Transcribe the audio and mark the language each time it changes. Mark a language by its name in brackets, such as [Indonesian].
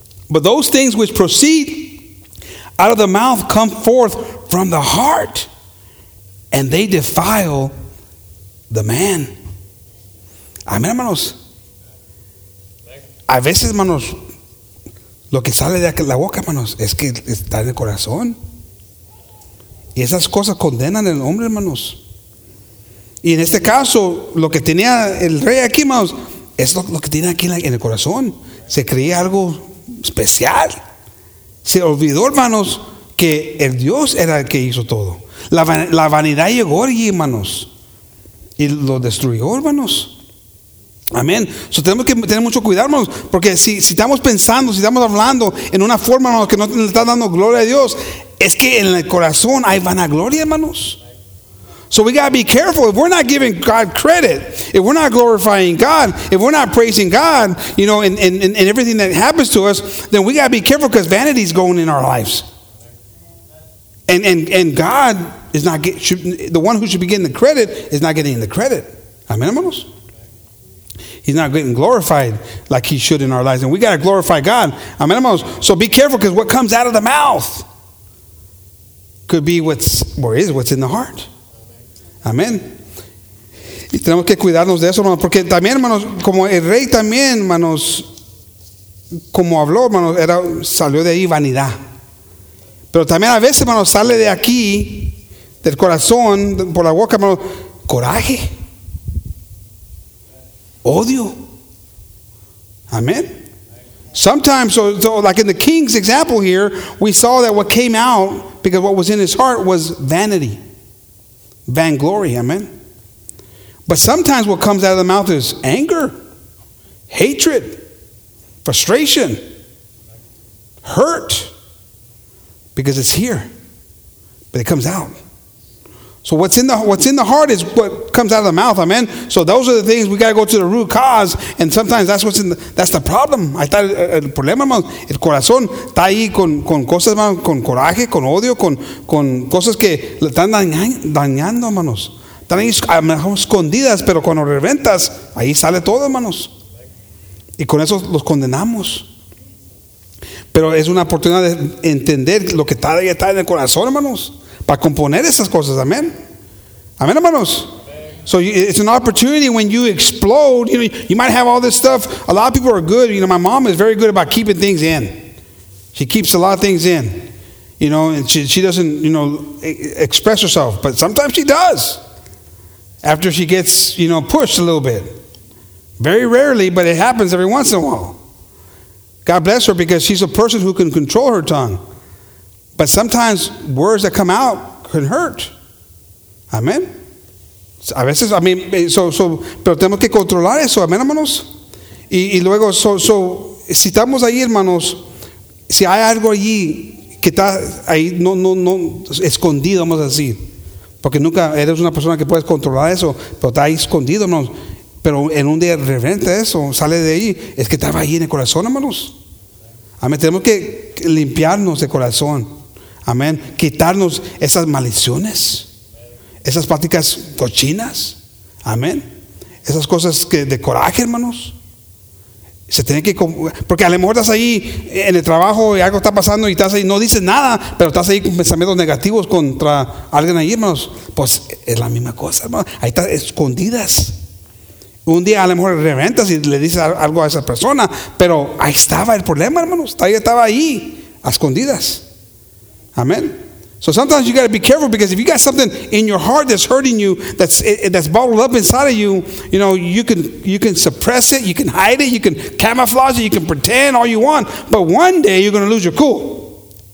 [English] But those things which proceed out of the mouth come forth from the heart, and they defile the man. Amen, [Spanish] hermanos? a veces, manos, lo que sale de la boca, manos, es que está en el corazón. Y esas cosas condenan al hombre, manos. Y en este caso, lo que tenía el rey aquí, manos, es lo que tiene aquí en el corazón. Se creía algo especial. Se olvidó, manos, que el Dios era el que hizo todo. La vanidad llegó allí, manos. Y lo destruyó, manos. Amén. So, tenemos que tener mucho cuidado, hermanos, porque si estamos pensando, si estamos hablando en una forma, hermanos, que no le está dando gloria a Dios, es que en el corazón hay vanagloria, hermanos. [English] So we gotta be careful. If we're not giving God credit, if we're not glorifying God, if we're not praising God, you know, in everything that happens to us, then we gotta be careful because vanity is going in our lives. And God is not the one who should be getting the credit is not getting the credit. [Spanish] Amén, hermanos. [English] He's not getting glorified like he should in our lives. And we got to glorify God. [Spanish] Amen, hermanos. [English] So be careful because what comes out of the mouth could be what's in the heart. [Spanish] Amen. Y tenemos que cuidarnos de eso, hermanos. Porque también, hermanos, como el rey también, hermanos, como habló, hermanos, salió de ahí vanidad. Pero también a veces, hermanos, sale de aquí, del corazón, por la boca, hermanos, coraje. Odio. Amen. [English] Sometimes, so like in the king's example here, we saw that what came out, because what was in his heart was vanity. Vainglory, amen. But sometimes what comes out of the mouth is anger, hatred, frustration, hurt. Because it's here. But it comes out. So what's in the heart is what comes out of the mouth, amen. So those are the things we got to go to the root cause, and sometimes that's the problem. [Spanish] Ahí está el problema, hermano. El corazón está ahí con cosas, hermano, con coraje, con odio, con cosas que le están dañando, hermanos. Están ahí a lo mejor escondidas, pero cuando reventas, ahí sale todo, hermanos. Y con eso los condenamos. Pero es una oportunidad de entender lo que está en el corazón, hermanos. Para componer esas cosas, amen. Amen, hermanos. [English] Amen. So it's an opportunity when you explode. You know, you might have all this stuff. A lot of people are good. You know, my mom is very good about keeping things in. She keeps a lot of things in. You know, and she doesn't, you know, express herself. But sometimes she does. After she gets, you know, pushed a little bit. Very rarely, but it happens every once in a while. God bless her because she's a person who can control her tongue. But sometimes words that come out can hurt. Amen. [Spanish] A veces, [English] I mean, so, [Spanish] pero tenemos que controlar eso. Amen, hermanos. Y luego, so, si estamos ahí, hermanos, si hay algo allí que está ahí, no, escondido, vamos a decir. Porque nunca eres una persona que puedes controlar eso, pero está ahí escondido, hermanos. Pero en un día reventa eso, sale de ahí, es que estaba ahí en el corazón, hermanos. Amén. Tenemos que limpiarnos de corazón. Amén. Quitarnos esas maldiciones. Esas prácticas cochinas. Amén. Esas cosas que de coraje, hermanos. Se tiene que. Porque a lo mejor estás ahí en el trabajo y algo está pasando y estás ahí, no dices nada, pero estás ahí con pensamientos negativos contra alguien ahí, hermanos. Pues es la misma cosa, hermanos. Ahí estás escondidas. Un día a lo mejor reventas y le dices algo a esa persona, pero ahí estaba el problema, hermanos. Ahí estaba ahí, a escondidas. Amen. [English] So sometimes you got to be careful because if you got something in your heart that's hurting you, that's bottled up inside of you, you know, you can suppress it, you can hide it, you can camouflage it, you can pretend all you want, but one day you're going to lose your cool.